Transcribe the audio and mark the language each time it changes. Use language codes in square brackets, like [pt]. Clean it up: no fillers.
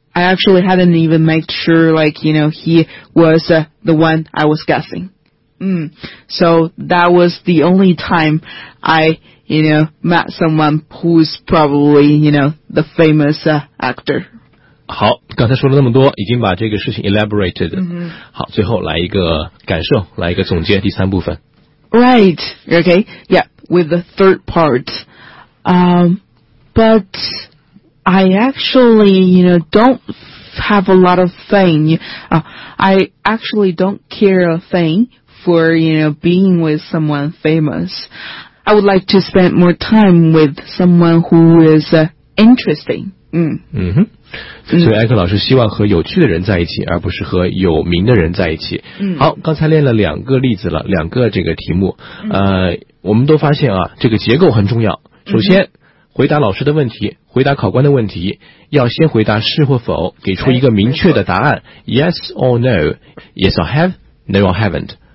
[en] I actually hadn't even made sure, like, you know, he was the one I was guessing. So that was the only time I, you know, met someone who's probably, you know, the famous actor. [zh] 好，刚才说了那么多，已经把这个事情 elaborated。好，最后来一个感受，来一个总结，第三部分。 [en] Right, okay, yeah, with the third part. But I actually, you know, don't have a lot of thing. I actually don't care a thing for, you know, being with someone famous. I would like to spend more time with someone who is interesting. [zh] 所以艾克老师希望和有趣的人在一起，而不是和有名的人在一起。好，刚才练了两个例子了，两个这个题目，我们都发现啊，这个结构很重要。首先回答老师的问题，回答考官的问题，要先回答是或否，给出一个明确的答案 ， [en] yes or no, yes or have, no or haven't。